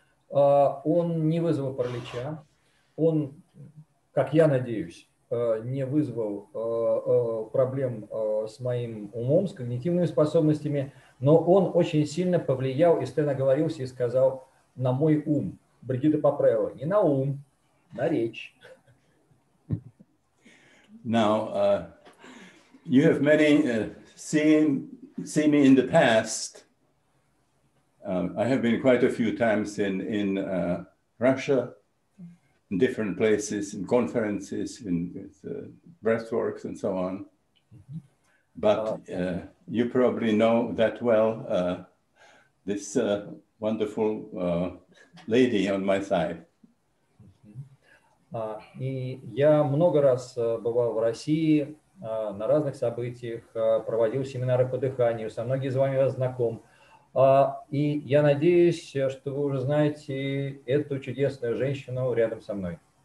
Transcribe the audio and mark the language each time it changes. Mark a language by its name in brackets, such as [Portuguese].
[Russian] Он не вызвал паралича. Он, как я надеюсь, не вызвал проблем с моим умом, с когнитивными способностями, но он очень сильно повлиял, и Стэн оговорился и сказал, на мой ум. Бригитта поправила, не на ум, на речь. [English] Now, you have many seen me in the past. I have been quite a few times in Russia, in different places, in conferences, in breathworks and so on. But you probably know that well, this wonderful lady on my side. [Russian] И я много раз бывал в России, на разных событиях, проводил семинары по дыханию, со многими из вами я знаком. И я надеюсь, что вы уже знаете эту чудесную женщину рядом со мной.